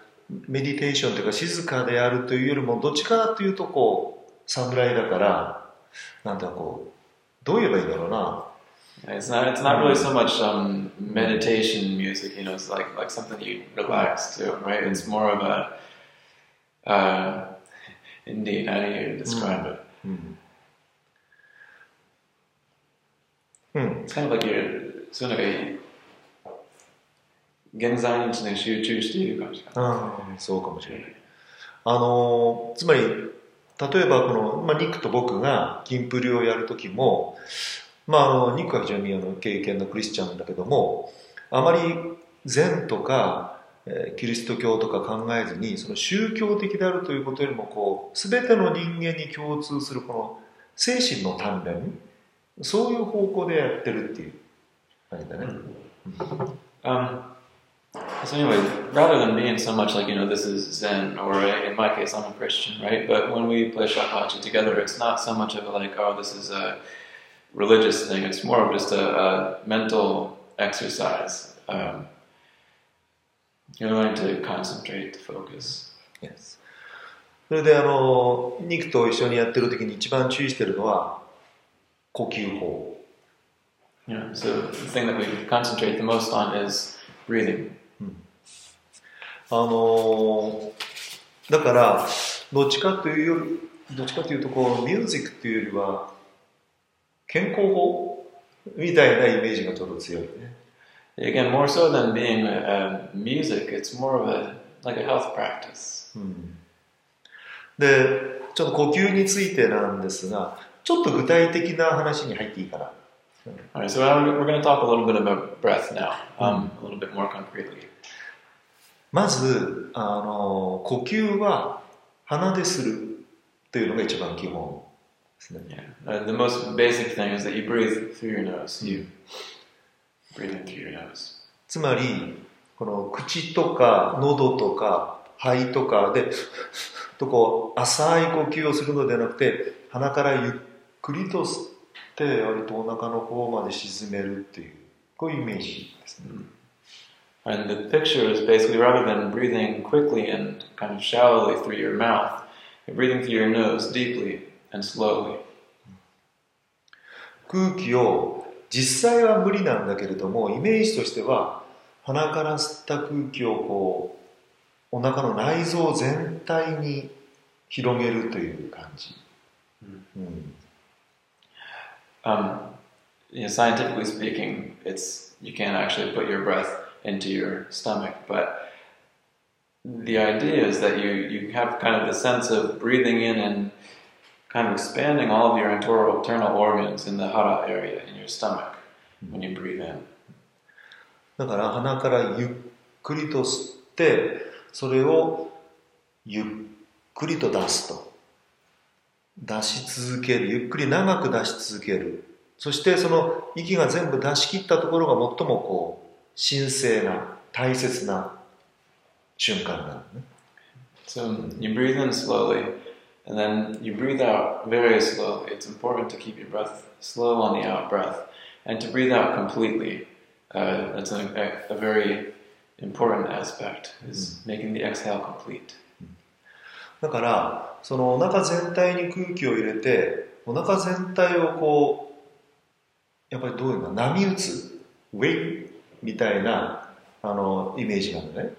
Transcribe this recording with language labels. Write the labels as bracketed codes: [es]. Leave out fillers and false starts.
[ja] というか静かであるというよりもどっちかというとこう侍だからなんていうかこうどう言えばいいんだろうな。 [en] It's not really so much meditation music, you know, it's like something you relax to, right? It's more of a indeed, how do you describe it? It's kind of like you're [ja] そういうのが現在に集中しているかもしれない。そうかもしれない。つまり例えばこの、ニックと僕がキンプリをやるときも、ニックは非常にあの経験のクリスチャンだけどもあまり禅とか、キリスト教とか考えずにその宗教的であるということよりもこう全ての人間に共通するこの精神の鍛錬そういう方向でやってるっていう感じだね。 [en] So anyway, rather than being so much like, you know, this is Zen, or in my case, I'm a Christian, right? But when we play Shakuhachi together, it's not so much of a like, oh, this is a religious thing. It's more of just a mental exercise. You're learning to concentrate, to focus. Yes. [ja] それで、ニクと一緒にやってる時に一番注意してるのは呼吸法。 [en] Yeah, so the thing that we concentrate the most on is breathing. [ja] だからどっちかというよりどっちかというとこうミュージックというよりは健康法みたいなイメージがちょっと強いね。 [en] Again, more so than being a music, it's more of a Like a health practice. [ja] で、ちょっと呼吸についてなんですが、ちょっと具体的な話に入っていいかな。 [en] Alright, so we're going to talk a little bit about breath now, a little bit more concretely. [ja] まず、呼吸は鼻でするというのが一番基本ですね。 [en] Yeah. The most basic thing is that you breathe through your nose. You breathe through your nose. [ja] つまり、この口とか喉とか肺とかで、とこう浅い呼吸をするのではなくて、鼻からゆっくりと吸って、お腹の方まで沈めるっていう、こういうイメージですね。 [en] And the picture is basically rather than breathing quickly and kind of shallowly through your mouth, you're breathing through your nose deeply and slowly. [ja] 空気を実際は無理なんだけれども、イメージとしては鼻から吸った空気をこうお腹の内臓全体に広げるという感じ。 [en] Scientifically speaking, it's you can't actually put your breath into your stomach, but the idea is that you have kind of the sense of breathing in and kind of expanding all of your internal organs in the hara area in your stomach when you breathe in. [ja] だから鼻からゆっくりと吸って、それをゆっくりと出すと。出し続ける、ゆっくり長く出し続ける。そしてその息が全部出し切ったところが最もこう神聖な大切な瞬間なのね。 [en] So you breathe in slowly, and then you breathe out very slowly. It's important to keep your breath slow on the out breath, and to breathe out completely. That's a very important aspect is making the exhale complete. [ja] だから。そのお腹全体に空気を入れて、お腹全体をこう、やっぱりどういうの、波打つ、ウェイみたいなあのイメージなのね。